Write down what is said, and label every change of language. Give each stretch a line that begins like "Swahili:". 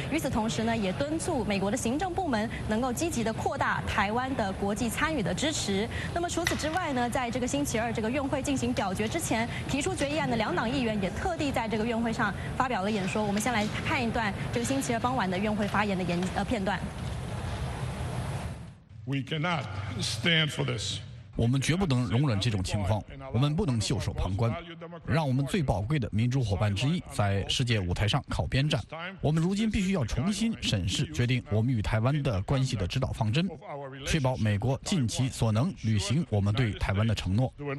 Chinese: 与此同时呢，也敦促美国的行政部门能够积极的扩大台湾的国际参与的支持。那么除此之外呢，在这个星期二这个院会进行表决之前，提出决议案的两党议员也特地在这个院会上发表了演说。我们先来看一段这个星期二傍晚的院会发言的片段。
English: We cannot stand for this.
Chinese: 我们绝不能容忍这种情况，我们不能袖手旁观，让我们最宝贵的民主伙伴之一在世界舞台上靠边站。我们如今必须要重新审视决定我们与台湾的关系的指导方针，确保美国尽其所能履行我们对台湾的承诺。